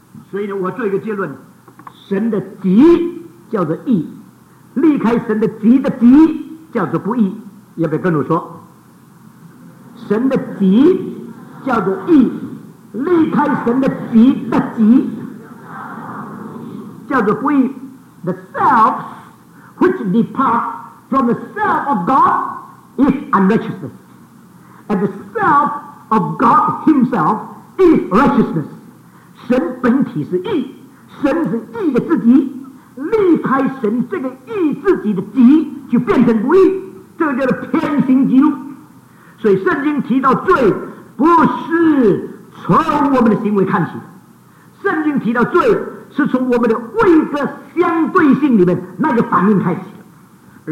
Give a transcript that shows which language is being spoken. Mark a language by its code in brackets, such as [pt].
[zh] 所以呢，我做一个结论，神的己叫做义，离开神的己的己叫做不义。要不要跟我说，神的己叫做义，离开神的己的己叫做不义。 [en] The self which departs from the self of GodIs unrighteousness, and the self of God Himself is righteousness. [zh] 神本体是义，神是义的自己，离开神这个义自己的己，就变成不义，这个叫做偏行己路。所以圣经提到罪，不是从我们的行为看起的，圣经提到罪是从我们的位格相对性里面那个反应开始的。